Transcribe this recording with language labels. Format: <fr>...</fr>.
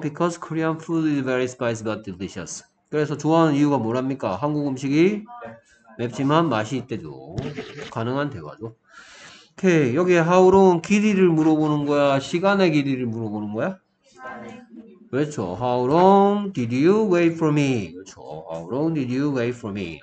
<en>Because Korean food is very spicy but delicious.</en> <ko>그래서 좋아하는 이유가 뭐랍니까? 한국 음식이 맵지만 맛이 있대죠. 가능한 대화죠. 오케이. 여기에 하우롱은 길이를 물어보는 거야? 시간의 길이를 물어보는 거야? 그렇죠.</ko> <en>How long did you wait for me?</en> <ko>그렇죠.</ko> <en>How long did you wait for me?</en>